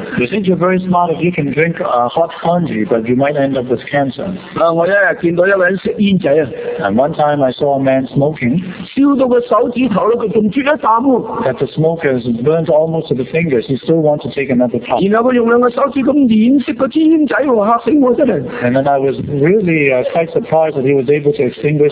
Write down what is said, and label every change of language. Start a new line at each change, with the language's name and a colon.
English: You think you're very smart if you can drink hot congee, but you might end up with cancer.
Chinese: 我有一天見到一個人吃煙仔,
English: and one time I saw a man smoking,
Chinese: 燒到手指頭,他還缺一口,
English: that the smoke has burnt almost to the fingers, he still wants to take another puff.
Chinese: 然後他用兩個手指這樣捏熄那支煙仔, 嚇死我真的。
English: And then I was really quite surprised that he was able to extinguish